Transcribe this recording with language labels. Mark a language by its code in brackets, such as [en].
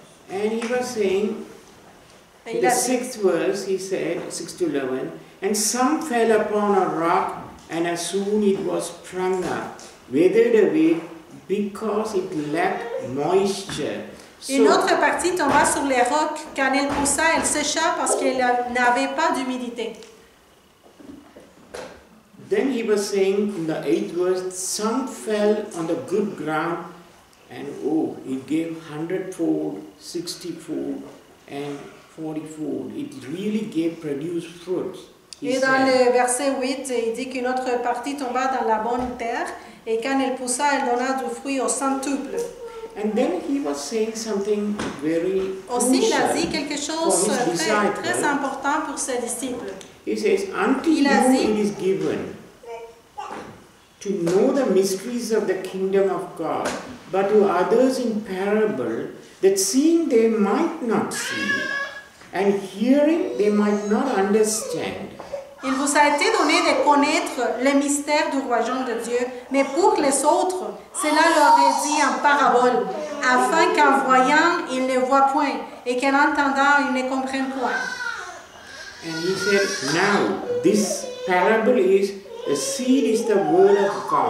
[en] And he was saying, the sixth verse, he said, 6 to 11, and some fell upon a rock, and as soon it was sprung up, withered away, because it lacked moisture. [fr] Une autre partie tomba sur les rocs. Quand elle poussa, elle sécha parce qu'elle n'avait pas d'humidité. [en] Then he was saying in the eighth verse, some fell on the good ground, and oh, it gave 100-fold, 60-fold, and 40-fold. It really gave produce fruits. [fr] Et dans le verset 8, il dit qu'une autre partie tomba dans la bonne terre, et quand elle poussa, elle donna du fruit au centuple. [en] And then he was saying something very [fr] aussi, il a dit quelque chose très important pour ses disciples. [en] He says, until you is given to know the mysteries of the kingdom of God, but to others in parable, that seeing they might not see, and hearing they might not understand. [fr] Il vous a été donné de connaître les mystères du royaume de Dieu, mais pour les autres, cela leur est dit en parabole, afin qu'en voyant, ils ne voient point, et qu'en entendant, ils ne comprennent point. [en] And he said, now, this parable is, the seed is the word of God.